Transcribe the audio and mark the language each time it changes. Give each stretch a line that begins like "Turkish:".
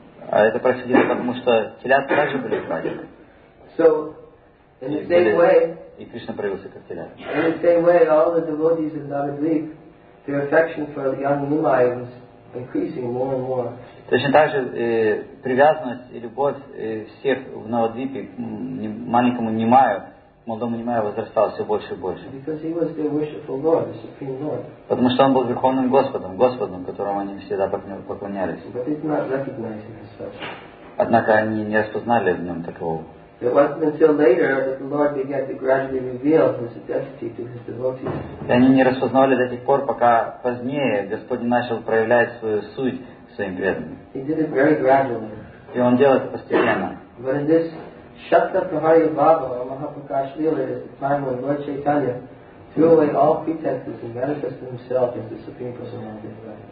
Russian: А это происходило потому, что телята также были украдены.
English: So, in the same way,
Russian: и Кришна проявился как телят.
English: In the same way, all the devotees of Navadvip, their affection for young Nimai was increasing more and more.
Russian: Точно так же привязанность и любовь всех в Навадвипе к маленькому Нимаю, молодому Нимаю возрастала все больше и больше.
English: Because he was their worshipful Lord, the supreme Lord.
Russian: Потому что он был верховным Господом, Господом, которому они всегда поклонялись.
English: But they did not recognize him as such.
Russian: Однако они не распознали в нем такого.
English: It wasn't until later that the Lord began to gradually reveal his identity to his devotees.
Russian: И они не распознавали до тех пор, пока позднее Господь начал проявлять свою суть.
English: He did it very gradually.
Russian: И он делает это постепенно.
English: But in this Shatta Prahari Bhava or Mahaprakash Lila is the time when Lord Chaitanya threw away all pretenses and manifested himself as the Supreme Personality of Godhead.